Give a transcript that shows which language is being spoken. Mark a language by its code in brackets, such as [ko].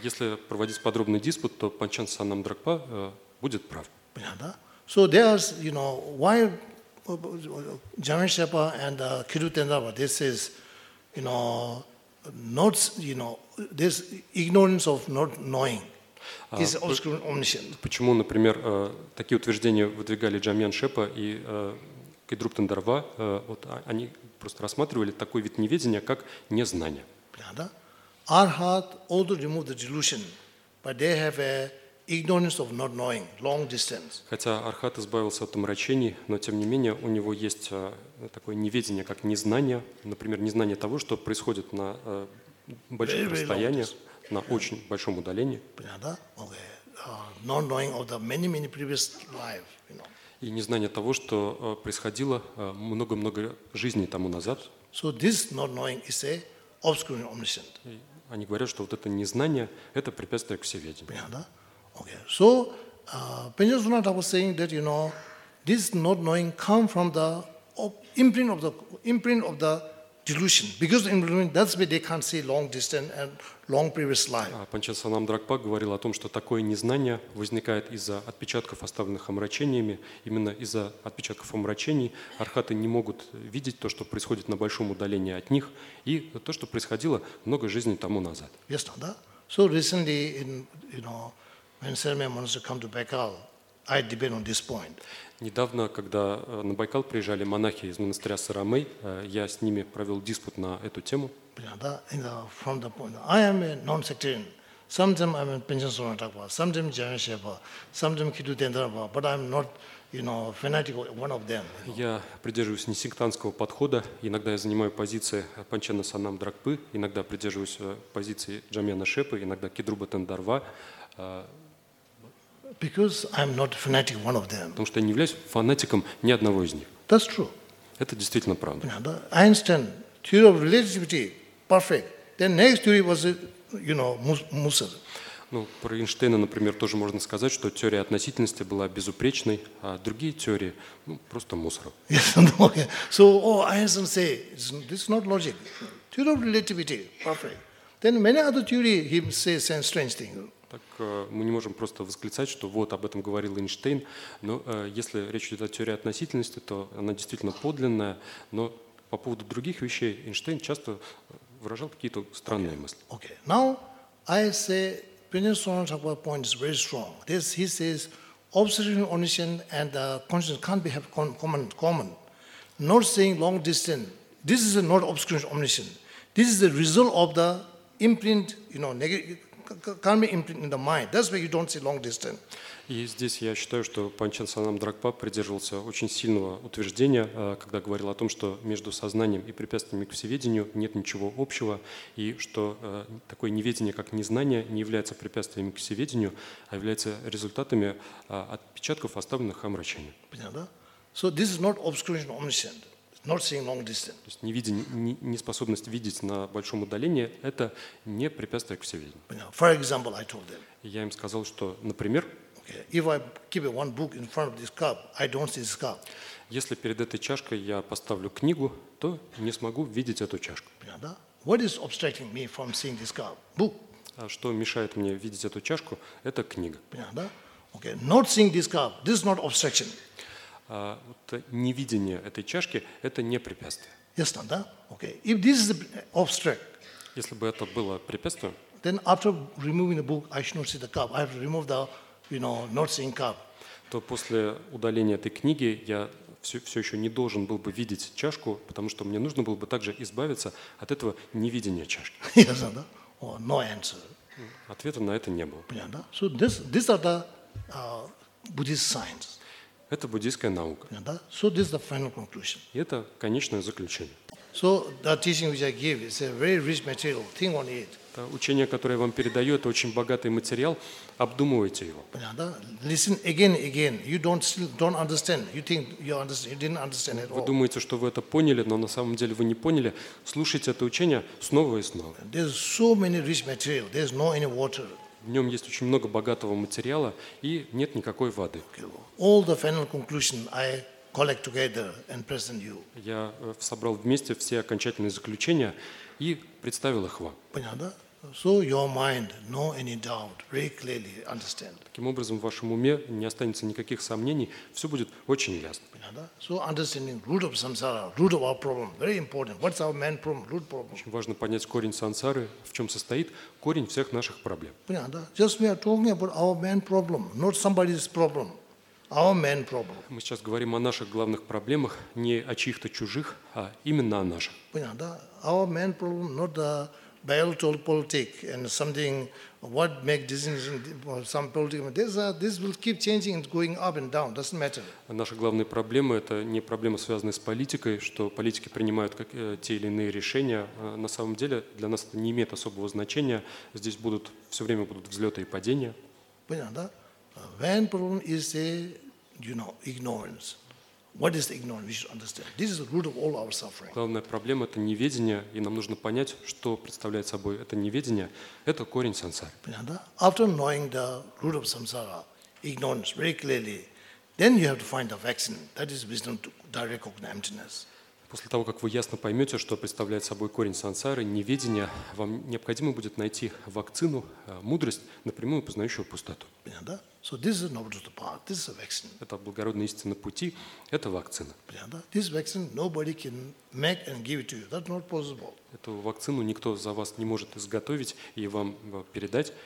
[ru] Если проводить подробный диспут, то Панчен Санам Драгпа будет прав. Понятно, да? [en] So there's, you know, why Jamin Shepa and Kiru Tendava, this is, you know, not, you know, this ignorance of not knowing is obscure omniscient. [ru] Почему, например, такие утверждения выдвигали Jamin Shepa и Kiru Tendava, вот они просто рассматривали такой вид неведения, как незнание. Понятно, да? [en] Arhat also removed the delusion, but they have a ignorance of not knowing, long distance. [ru] Хотя Архат избавился от омрачений, но тем не менее у него есть такое неведение, как незнание, например, незнание того, что происходит на больших расстояниях, на очень большом удалении. Понятно? Okay. [en] Not knowing of the many, many previous lives, you know. [ru] И незнание того, что происходило много-много жизней тому назад. [en] So this not knowing is a obscure omniscient. [ru] Они говорят, что вот это незнание – это препятствие к всеведению. Понятно? [en] Okay, so Panchen Sunar Thakpa was saying that, you know, this not knowing comes from the imprint of the delusion. Because imprint, that's why they can't see long distance and long previous life. [ru] Панчен Санам Драгпа говорил о том, что такое незнание возникает из-за отпечатков, оставленных омрачениями. Именно из-за отпечатков омрачений архаты не могут видеть то, что происходит на большом удалении от них, и то, что происходило много жизней тому назад. [en] Yes, да? So recently, in, you know, when Sermon monastery come to Baikal, I debate on this point. [ru] Недавно, когда на Байкал приезжали монахи из монастыря Сарамей, я с ними провел диспут на эту тему. [en] From the point, I am a non-sectarian. Sometimes I'm a Panchen Sunar Thakpa, sometimes Jamin Shepa, sometimes Kiru Tendava, but I'm not, you know, fanatical one of them. [ru] Я придерживаюсь не сектантского подхода. Иногда я занимаю позиции Панчена Санам Драгпы, иногда придерживаюсь позиции Джамина Шепы, иногда Кидруба Тендарва. [en] Because I'm not a fanatic one of them. [ru] Потому что я не являюсь фанатиком ни одного из них. [en] That's true. [ru] Это действительно правда. Понятно? [en] Einstein, theory of relativity, perfect. Then next theory was, you know, Musser. [ru] Ну, про Эйнштейна, например, тоже можно сказать, что теория относительности была безупречной, а другие теории, ну, просто мусор. [en] Yes, okay. So, Einstein say, this is not logic. Theory of relativity, perfect. Then many other theory, he say some strange thing. [ru] Так мы не можем просто восклицать, что вот об этом говорил Эйнштейн, но если речь идет о теории относительности, то она действительно подлинная, но по поводу других вещей Эйнштейн часто выражал какие-то странные мысли. [en] Okay. Now I say Panchen Sunar Thakpa point is very strong. This he says observation omniscient and consciousness can't be have common. Not saying long distance. This is not obscure omniscient. This is the result of the imprint, you know, negative. Can't be imprinted in the mind. That's why you don't see long distance. [ru] И здесь я считаю, что Панчен Санам Драгпа придерживался очень сильного утверждения, когда говорил о том, что между сознанием и препятствиями к всеведению нет ничего общего, и что такое неведение, как незнание, не является препятствиями к всеведению, а является результатами отпечатков, оставленных омрачением. Понятно? [en] So this is not obscuration omniscient. Not seeing long distance. [ru] То есть неспособность видеть на большом удалении – это не препятствие к всеведению. [en] For example, I told them. [ru] Я им сказал, что, например, [en] okay. If I keep one book in front of this cup, I don't see this cup. [ru] Если перед этой чашкой я поставлю книгу, то не смогу видеть эту чашку. [en] Yeah, да? What is obstructing me from seeing this cup? Book. [ru] что мешает мне видеть эту чашку, это книга. Понятно, да? Okay. [en] Not seeing this cup, this is not obstruction. [ru] Вот невидение этой чашки – это не препятствие. Ясно, да? [en] Okay. If this is obstruct, [ru] если бы это было препятствие, [en] then after removing the book, I should not see the cup. I have to remove the, you know, not seeing cup. [ru] То после удаления этой книги я все еще не должен был бы видеть чашку, потому что мне нужно было бы также избавиться от этого невидения чашки. Ясно, да? [en] Oh, no answer. [ru] Ответа на это не было. Понятно, да? [en] So these are the Buddhist signs. [ru] Это буддийская наука. [en] Yeah, that, so this is the final conclusion. [ru] И это конечное заключение. [en] So the teaching which I give is a very rich material. Think on it. [ru] Это учение, которое я вам передаю, это очень богатый материал. Обдумывайте его. [en] Yeah, that, listen again, again. You don't understand. You think you understand. You didn't understand at all. [ru] Вы думаете, что вы это поняли, но на самом деле вы не поняли. Слушайте это учение снова и снова. [en] There's so many rich material. There's no any water. [ru] В нем есть очень много богатого материала и нет никакой воды. [en] All the final conclusion I collect together and present you. [ru] Я собрал вместе все окончательные заключения и представил их вам. Понятно? [en] So your mind, no any doubt, very clearly understand. [ru] Таким образом, в вашем уме не останется никаких сомнений, все будет очень ясно. Понятно? [en] So understanding root of samsara, root of our problem, very important. What's our main problem, root problem? [ru] Очень важно понять корень сансары, в чем состоит корень всех наших проблем. Понятно? [en] Just we are talking about our main problem, not somebody's problem, our main problem. [ru] Мы сейчас говорим о наших главных проблемах, не о чьих-то чужих, а именно о наших. Понятно? [en] Our main problem, not the Bell-toll politics and something, what makes decisions, some political, this will keep changing and going up and down, doesn't matter. [ru] Наша главная проблема – это не проблема, связанная с политикой, что политики принимают те или иные решения. На самом деле для нас это не имеет особого значения. Здесь будут, все время будут взлеты и падения. Понятно, да? [en] When problem is the, you know, ignorance. What is the ignorance? We should understand. This is the root of all our suffering. [ru] Главная проблема – это неведение, и нам нужно понять, что представляет собой это неведение. Это корень сансары. Понятно? [en] After knowing the root of samsara, ignorance very clearly, then you have to find the vaccine. That is wisdom to direct cognitive emptiness. [ru] После того, как вы ясно поймете, что представляет собой корень сансары, неведение, вам необходимо будет найти вакцину, мудрость, напрямую познающую пустоту. Понятно? [en] So this is not the path. This is a vaccine. [ru] Это благородная истина пути. Это вакцина. Понятно? [en] This vaccine nobody can make and give it to you. That's not possible. [ru] Эту вакцину никто за вас не может изготовить и вам передать.